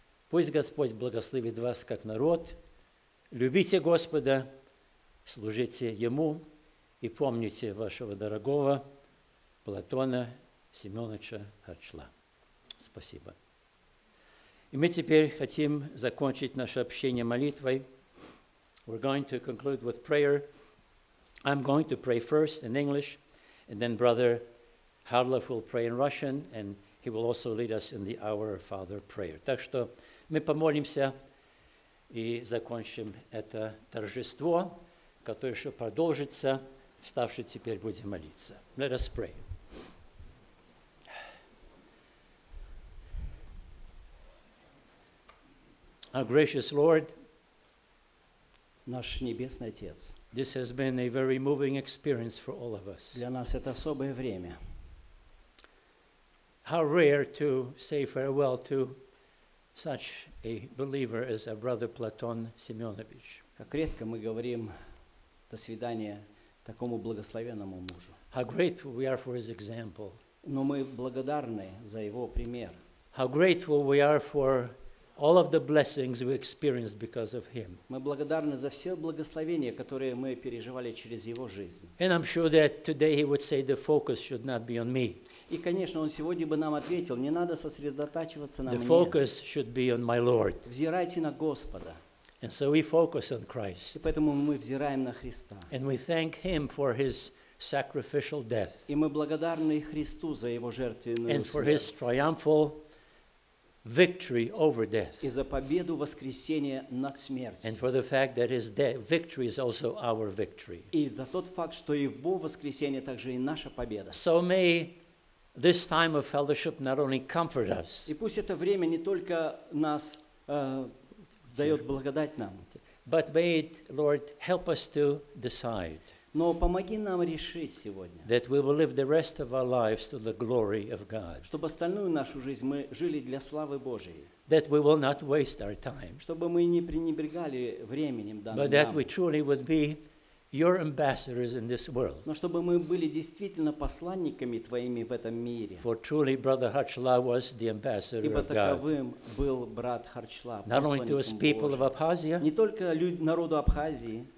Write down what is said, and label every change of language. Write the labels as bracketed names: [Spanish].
[Russian] Пусть Господь благословит вас как народ. Любите Господа, служите Ему и помните вашего дорогого Платона Семеновича Хачла. Спасибо. И мы теперь хотим закончить наше общение молитвой. [English] We're going to conclude with prayer. I'm going to pray first in English, and then Brother Harlov will pray in Russian, and he will also lead us in the Our Father prayer. [Russian] Так что мы помолимся и закончим это торжество, которое еще продолжится, вставши теперь будем молиться. [English] Let us pray. Our gracious Lord, [Russian] наш Небесный Отец, [English] this has been a very moving experience for all of us. [Russian] Для нас это особое время. [English] How rare to say farewell to such a believer as our brother Platon Semyonovich. [Russian] Как редко мы говорим до свидания такому благословенному мужу. [English] How grateful we are for his example. [Russian] Но мы благодарны за его пример. [English] How grateful we are for all of the blessings we experienced because of him. [Russian] Мы благодарны за все благословения, которые мы переживали через его жизнь. [English] And I'm sure that today he would say the focus should not be on me. [Russian] И, конечно, он сегодня бы нам ответил, не надо сосредотачиваться на [English] the [Russian] мне. [English] Focus should be on my Lord. [Russian] Взирайте на Господа. [English] And so we focus on Christ. [Russian] И поэтому мы взираем на Христа. [English] And we thank Him for His sacrificial death. [Russian] И мы благодарны Христу за Его жертвенную смерть. [English] And for His triumphal victory over death. [Russian] И за победу воскресения над смертью. [English] And for the fact that His victory is also our victory. [Russian] И за тот факт, что Его воскресение также и наша победа. [English] So may this time of fellowship not only comfort us. [Russian] И пусть это время не только нас дает благодать нам. [English] But may it, Lord, help us to decide. [Russian] Но помоги нам решить сегодня. [English] That we will live the rest of our lives to the glory of God. [Russian] Чтобы остальную нашу жизнь мы жили для славы Божьей. [English] That we will not waste our time. [Russian] Чтобы мы не пренебрегали временем данным нам. [English] But that we truly would be Your ambassadors in this world. [Russian] Но чтобы мы были действительно посланниками твоими в этом мире. [English] For truly, brother Harchla was the ambassador [Russian] Ибо [English] of God. [Russian] Ибо таковым был брат Харчла. [English] Not only to us people of Abkhazia. [Russian] Не только народу Абхазии.